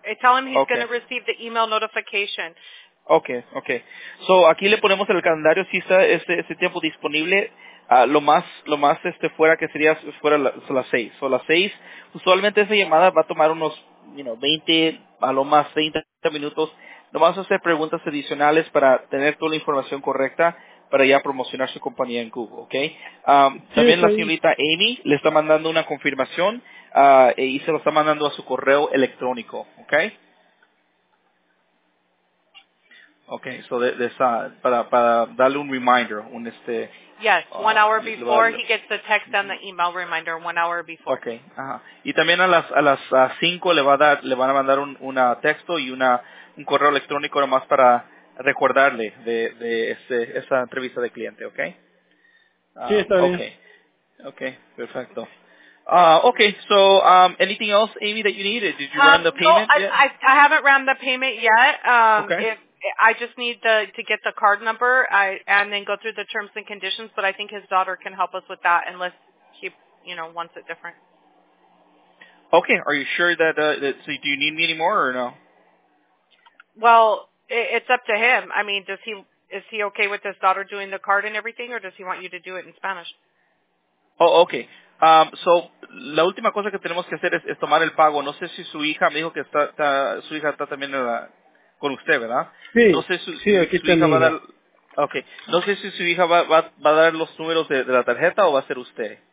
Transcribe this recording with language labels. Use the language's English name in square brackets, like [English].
[English] Tell him he's going to receive the email notification. Okay. [Spanish] So, aquí le ponemos el calendario, si está ese tiempo disponible, lo más fuera que sería fuera las 6. So, las 6, usualmente esa llamada va a tomar unos, 20, a lo más 30 minutos. Nomás hacer preguntas adicionales para tener toda la información correcta para ya promocionar su compañía en Google, ¿ok? También la señorita Amy le está mandando una confirmación y se lo está mandando a su correo electrónico, ¿ok? [English] Okay, so there's [Spanish] para darle un reminder, un este. [English] Yes, 1 hour before he gets the text and the email reminder 1 hour before. [Spanish] Okay, uh-huh. Y también a las 5 le van a mandar un texto y un correo electrónico nomás para recordarle de esa entrevista de cliente, okay? Sí, está bien. Okay, perfecto. [English] Okay, so anything else, Amy, that you needed? Did you run the payment yet? I haven't run the payment yet. Okay. I just need to get the card number and then go through the terms and conditions, but I think his daughter can help us with that unless she, you know, wants it different. Okay, are you sure that do you need me anymore or no? Well, it's up to him. I mean, is he okay with his daughter doing the card and everything, or does he want you to do it in Spanish? Oh, okay. [Spanish] So la última cosa que tenemos que hacer es tomar el pago. No sé si su hija me dijo que está su hija está también con usted, ¿verdad? Sí. No sé si aquí su hija va a dar. [English] Okay. [Spanish] No sé si su hija va a dar los números de la tarjeta o va a ser usted.